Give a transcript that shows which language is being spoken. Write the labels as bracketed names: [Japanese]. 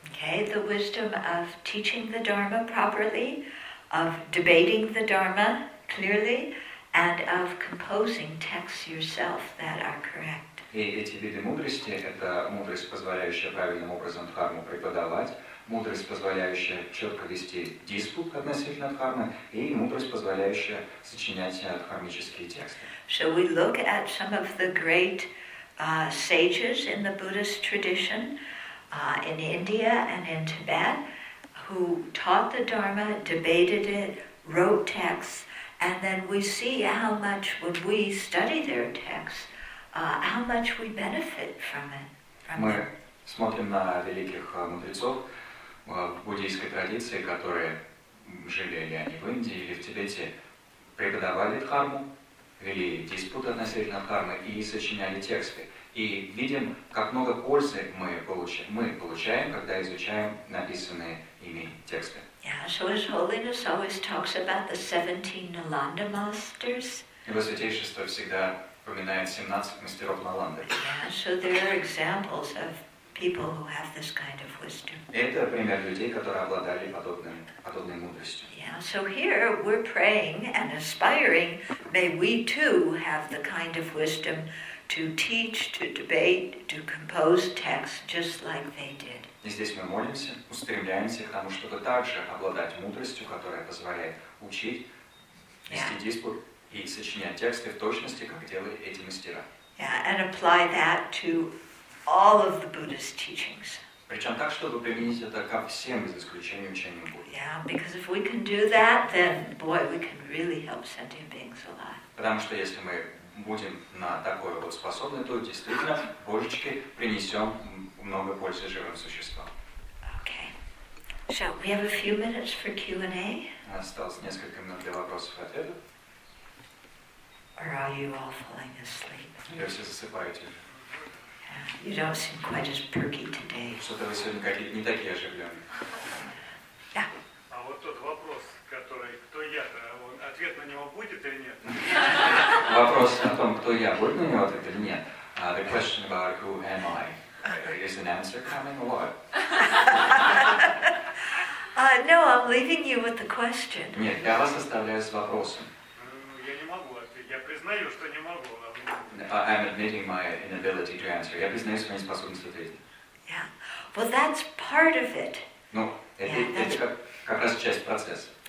[English] Okay, the wisdom of teaching the Dharma properly, of debating the Dharma clearly, and of composing texts yourself that are correct. [Russian] И эти виды мудрости — это мудрость, позволяющая правильным образом дхарму преподавать, мудрость, позволяющая четко вести диспут относительно дхармы, и мудрость, позволяющая сочинять дхармические тексты. [English] So we look at some of the great sages in the Buddhist tradition in India and in Tibet who taught the Dharma, debated it, wrote texts, and then we see how much when we study their texts, how much we benefit from it. [Russian] Мы смотрим на великих мудрецов буддийской традиции, которые жили ли они в Индии или в Тибете, преподавали дхарму, вели диспуты относительно дхармы и сочиняли тексты. И видим, как много пользы мы получаем, когда изучаем написанные ими тексты. [English] Yeah, so His Holiness always talks about the 17 Nalanda masters. [Russian] Его Святейшество всегда упоминает 17 мастеров Наланды. [English] Yeah, so there are examples of people who have this kind of wisdom. [Russian] Это пример людей, которые обладали подобной мудростью. [English] Yeah, so here we're praying and aspiring, may we too have the kind of wisdom to teach, to debate, to compose texts just like they did. [Russian] И здесь мы молимся, устремляемся к тому, чтобы также обладать мудростью, которая позволяет учить, вести диспут и сочинять тексты в точности, как делали эти мастера. [English] Yeah, and apply that to all of the Buddhist teachings. [Russian] Причем так, чтобы применить это ко всем, без исключения учения Будды. [English] Yeah, because if we can do that, then, boy, we can really help sentient beings a lot. [Russian] Потому что если мы будем на такое вот способны, то действительно, божечки, принесем много пользы живым существам. [English] Okay. So, we have a few minutes for Q&A. [Russian] Осталось несколько минут для вопросов и ответов. [English] Or are you all falling asleep? [Russian] Или все засыпаете? [English] You don't seem quite as perky today. [Russian] Что-то вы сегодня какие-то не такие оживленные. Да. А вот тот вопрос, который кто я-то, ответ на него будет или нет? Вопрос о том, кто я, будет на него ответ или нет. [English] The question about who am I, is an answer coming or what? No, I'm leaving you with the question. [Russian] Нет, я вас оставляю с вопросом. Я не могу ответить. Я признаю, что не могу. [English] I'm admitting my inability to answer. [Russian] Я признаю свою неспособность ответить. [English] Yeah. Well, that's part of it. [Russian] Ну, это как раз часть процесса.